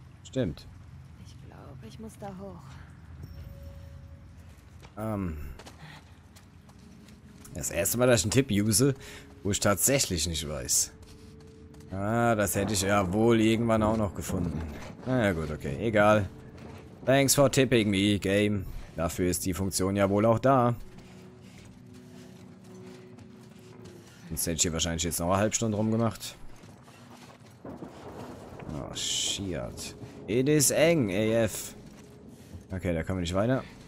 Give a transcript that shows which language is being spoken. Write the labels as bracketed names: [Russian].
[German] Stimmt. Ich glaube, ich muss da hoch. Das erste Mal, dass ich einen Tipp use, wo ich tatsächlich nicht weiß. Ah, das hätte ich ja wohl irgendwann auch noch gefunden. Na ja, gut, okay, egal. [English] Thanks for tipping me, Game. [German] Dafür ist die Funktion ja wohl auch da. Sonst hätte ich hier wahrscheinlich jetzt noch eine halbe Stunde rumgemacht. Oh, shit. [English] It is eng, AF. [German] Okay, da kommen wir nicht weiter.